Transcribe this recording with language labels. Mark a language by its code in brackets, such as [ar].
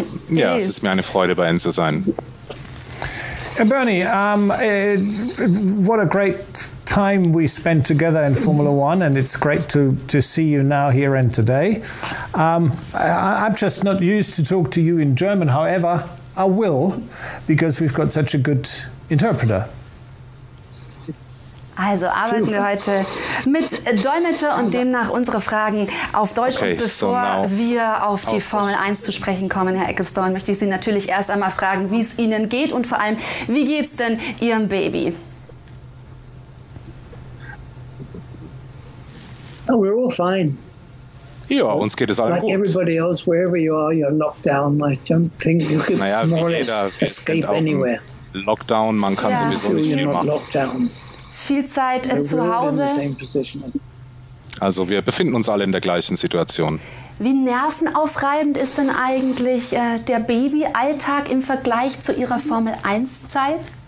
[de] Ja, es ist mir eine Freude, bei Ihnen zu sein. [en] Bernie, what a great time we spent together in Formula One, and it's great to see you now here and today. I'm just not used to talk to you in German, however, I will, because we've got such a good interpreter. [de] Also arbeiten wir heute mit Dolmetscher und demnach unsere Fragen auf Deutsch. Okay, und bevor wir auf die Formel 1 zu sprechen kommen, Herr Ecclestone, möchte ich Sie natürlich erst einmal fragen, wie es Ihnen geht und vor allem, wie geht's denn Ihrem Baby? [en] Oh, we're all fine. [de] Ja, uns geht es allen [en] like [de] gut. [en] Like everybody else, wherever you are, you're locked down. I don't think you could escape anywhere. [de] Lockdown, man kann sowieso nicht viel machen. [en] Lockdown. [de] Viel Zeit zu Hause. Also wir befinden uns alle in der gleichen Situation. Wie nervenaufreibend ist denn eigentlich der Babyalltag im Vergleich zu Ihrer Formel-1-Zeit?